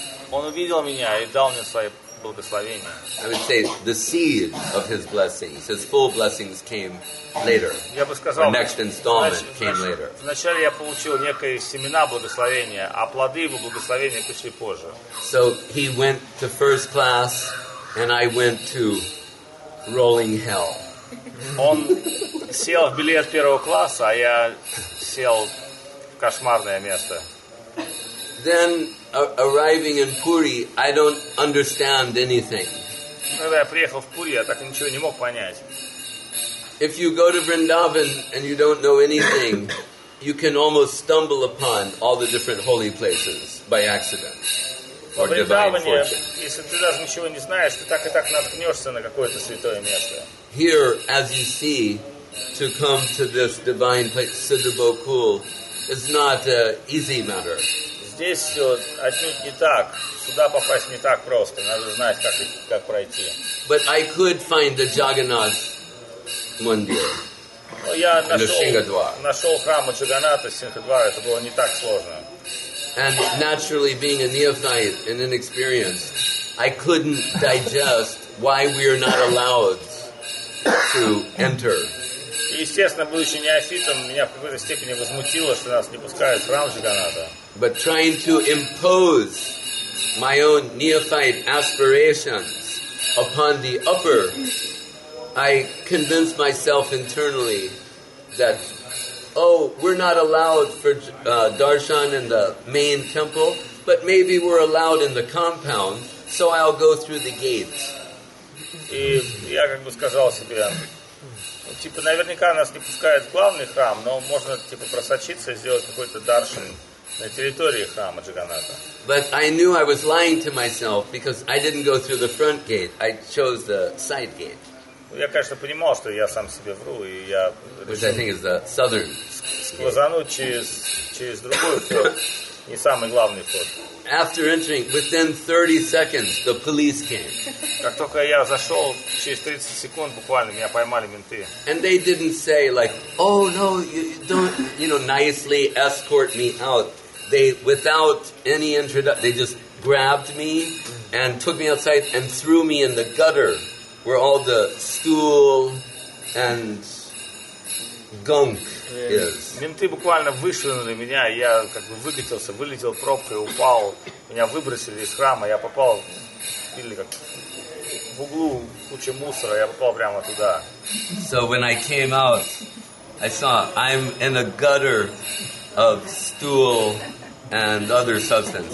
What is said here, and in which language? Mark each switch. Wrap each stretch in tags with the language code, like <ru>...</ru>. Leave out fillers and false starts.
<ru>Он увидел меня и дал мне свои поклоны. Благословение.</ru> <en>I would say the seed of his blessings, his full blessings came later.</en> <ru>Я бы сказал,</ru> <en>the next installment came later.</en> <ru>Вначале я получил некое семена благословения, а плоды его благословения пришли позже.</ru> <en>So he went to first class, and I went to rolling hell.</en> <ru>Он сел в билет первого класса, а я сел в кошмарное место.</ru> <en>Then arriving in Puri, I don't understand anything.</en> <ru>Когда я приехал в Пури, я так ничего не мог понять.</ru> <en>If you go to Vrindavan and you don't know anything, you can almost stumble upon all the different holy places by accident or divine fortune.</en> <ru>Если ты даже ничего не знаешь, ты так и так наткнешься на какое-то святое место.</ru> <en>Here, as you see, to come to this divine place, Siddhabokul, is not an easy matter.</en> <ru>Здесь все отнюдь не так. Сюда попасть не так просто. Надо знать, как пройти.</ru> <en>But I could find the Jagannath Mandir.</en> <ru>Я нашел храм Джаганнатха Сингхадвара. Это было не так сложно.</ru> <en>And naturally, being a neophyte and inexperienced, I couldn't digest why we are not allowed to enter.</en> <ru>Естественно, будучи неофитом, меня в какой-то степени возмутило, что нас не пускают в храм Джаганнатха.</ru> <en>But trying to impose my own neophyte aspirations upon the upper, I convinced myself internally that, oh, we're not allowed for darshan in the main temple, but maybe we're allowed in the compound, so I'll go through the gates.</en> <ru>И я как бы сказал себе, типа, наверняка нас не пускают в главный храм, но можно, типа, просочиться и сделать какой-то даршан. На территории храма Джаганнатха.</ru> <en>But I knew I was lying to myself because I didn't go through the front gate. I chose the side gate.</en> <ru>Я, конечно, понимал, что я сам себе вру, и я.</ru> <en>Which I think is the southern.</en> <ru>Сквозануть через другой вход, не самый главный вход.</ru> <en>After entering, within 30 seconds, the police came.</en> <ru>Как только я зашел, через 30 секунд буквально меня поймали менты.</ru> <en>And they didn't say like, oh no, you don't, you know, nicely escort me out. They, without any introduction, they just grabbed me and took me outside and threw me in the gutter where all the stool and gunk is.</en> <ru>Менты буквально вышвырнули меня, я как бы выкатился, вылетел пробкой, упал. Меня выбросили из храма, я попал или как в углу куча мусора, я попал прямо туда.</ru> <en>So when I came out, I saw I'm in a gutter of stool and other substances.</en>